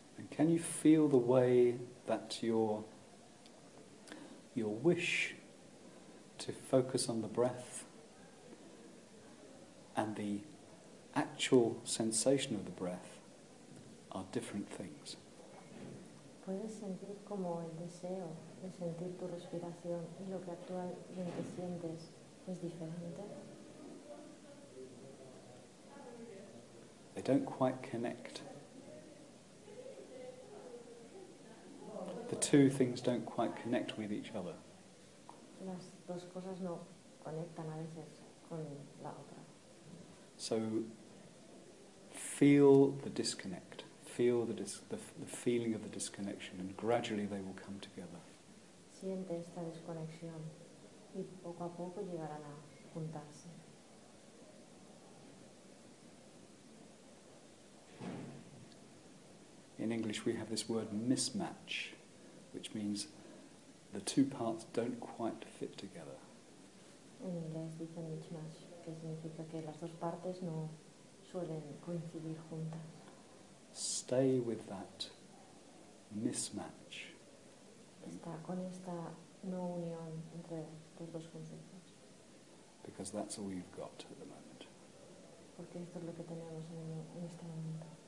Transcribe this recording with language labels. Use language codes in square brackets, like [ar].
[en] Can you feel the way that your wish to focus on the breath and the actual sensation of the breath are different things? [es] Puedes sentir como el deseo de sentir tu respiración y lo que actualmente sientes es diferente. [en] They don't quite connect. The two things don't quite connect with each other. [es] Las dos cosas no conectan a veces con la otra. [en] So feel the disconnect. Feel the feeling of the disconnection, and gradually they will come together. [es] Siente esta desconexión y poco a poco llegarán a juntarse. [en] In English we have this word mismatch, which means the two parts don't quite fit together. [es] En inglés dicen [en] mismatch, [es] que significa que las dos partes no suelen coincidir juntas. [en] Stay with that mismatch. [es] Está con esta no unión entre los dos conceptos. [en] Because that's all you've got at the moment. [es] Porque esto es lo que tenemos en este momento.